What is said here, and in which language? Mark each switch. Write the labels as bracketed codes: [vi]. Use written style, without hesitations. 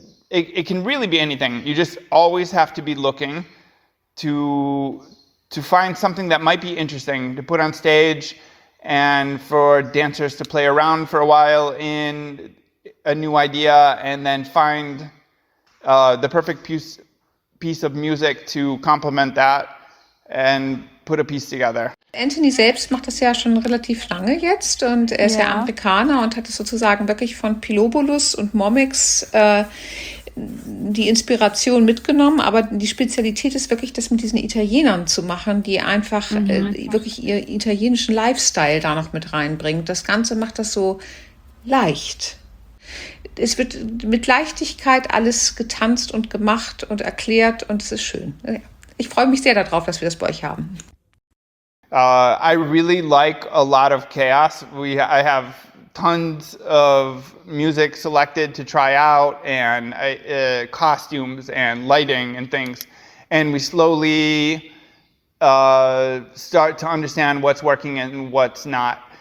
[en] It can really be anything. You just always have to be looking to find something that might be interesting to put on stage and for dancers to play around for a while in a new idea and then find the perfect piece of music to complement that and put a piece together. [de] Anthony selbst macht das ja schon relativ lange jetzt und er ist ja Amerikaner und hat es sozusagen wirklich von Pilobolus und Momix die Inspiration mitgenommen, aber die Spezialität ist wirklich, das mit diesen Italienern zu machen, die einfach wirklich ihr italienischen Lifestyle da noch mit reinbringen. Das Ganze macht das so leicht. Es wird mit Leichtigkeit alles getanzt und gemacht und erklärt und es ist schön. Ich freue mich sehr darauf, dass wir das bei euch haben. [en] I really like a lot of chaos. I have tons of music selected to try out and costumes and lighting and things. And we slowly start to understand what's working and what's not.